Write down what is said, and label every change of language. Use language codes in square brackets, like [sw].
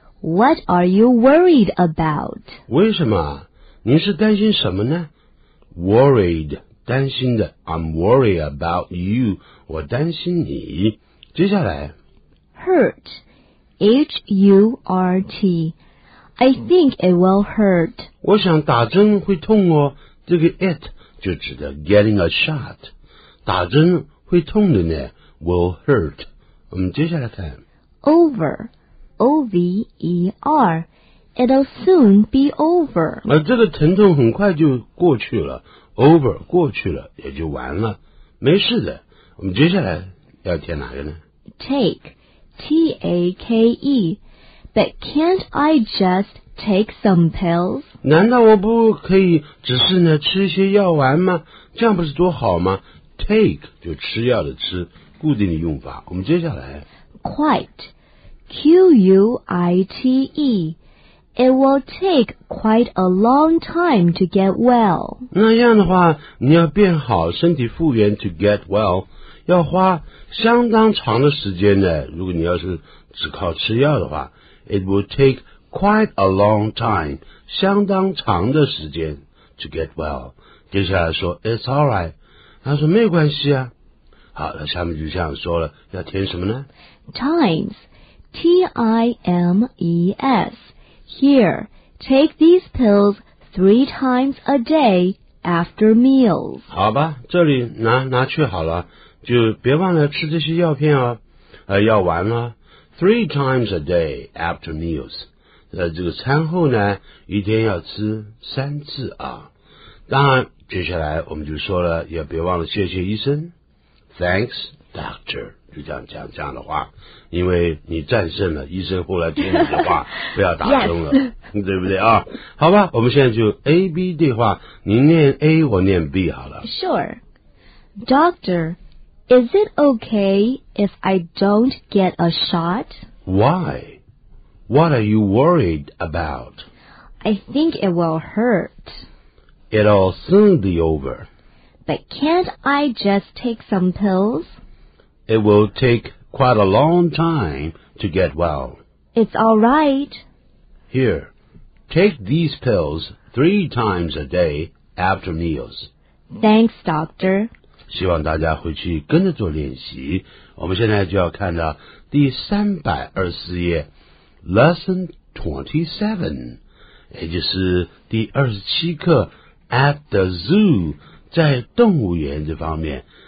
[en] What are you worried about? [zh] 为什么？您是担心什么呢 ？Worried, 担心的。 [en] I'm worried about you. [zh] 我担心你。接下来。 [en] Hurt, H-U-R-T. I think it will hurt. [zh] 我想打针会痛哦。这个 it 就指的 [en] getting a shot. [zh] 打针会痛的呢 ， [en] will hurt。 [zh] 我们接下来看 [en] ，over， O V E R， it'll soon be over。 [zh] 那这个疼痛很快就过去了 ，over 过去了也就完了，没事的。我们接下来要填哪个呢 [en] ？Take， T A K E， but can't I just take some pills？ [zh] 难道我不可以只是呢吃一些药丸吗？这样不是多好吗？Take 就吃药的吃，固定的用法。我们接下来 [en] ，quite, Q-U-I-T-E, it will take quite a long time to get well. [zh] 那样的话，你要变好，身体复原 [en] to get well [zh] 要花相当长的时间的。如果你要是只靠吃药的话 ， [en] it will take quite a long time, [zh] 相当长的时间 [en] to get well. [zh] 接下来说 [en] ，it's all right. [zh] 他说没有关系啊。好，那下面就这样说了，要填什么呢 [en] ？Times, T-I-M-E-S. Here, take these pills 3 times a day after meals. [zh] 好吧，这里拿去好了，就别忘了吃这些药片哦。药丸了 [en] 3 times a day after meals. [zh] 这个餐后呢，一天要吃3次啊。当然。接下来我们就说了，也别忘了谢谢医生 ， [en] Thanks doctor， [zh] 就这样讲这样的话，因为你战胜了医生后来听你的话，不要打针了， [en] yes. [zh] 对不对啊？好吧，我们现在就 A B 对话，你念 A， 我念 B 好了。 [en] Sure， doctor， is it okay if I don't get a shot？ Why？ What are you worried about？ I think it will hurt。 It'll soon be over. But can't I just take some pills? It will take quite a long time to get well. It's all right. Here, take these pills 3 times a day after meals. Thanks, doctor. [zh] 希望大家回去跟着做练习。我们现在就要看到第324页 ，Lesson 27，也就是第27课。 [en] at the zoo， [zh] 在动物园这方面。